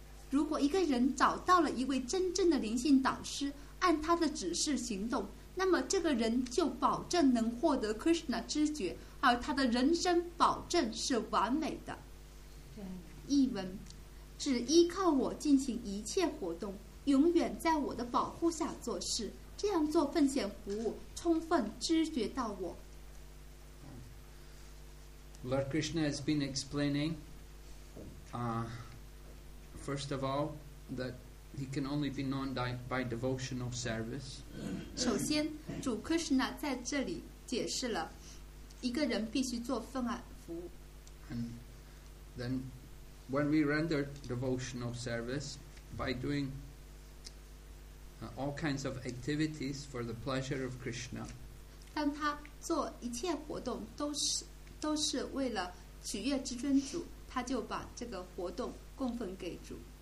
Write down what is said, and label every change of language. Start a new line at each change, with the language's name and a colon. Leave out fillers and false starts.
Chinese: 如果一个人找到了一位真正的灵性导师，按他的指示行动，那么这个人就保证能获得 Krishna 知觉，而他的人生保证是完美的。译文：只依靠我进行一切活动，永远在我的保护下做事，这样做奉献服务，充分知觉到我。
English: Lord Krishna has been explaining, first of all, that he can only be known by devotional service.
Chinese: 首先，主 Krishna 在这里解释了，一个人必须做奉爱服务。
English: And then, when we render devotional service by doing all kinds of activities for the pleasure of Krishna.
Chinese: 当他做一切活动都是为了取悦至尊主，他就把这个活动供奉给主。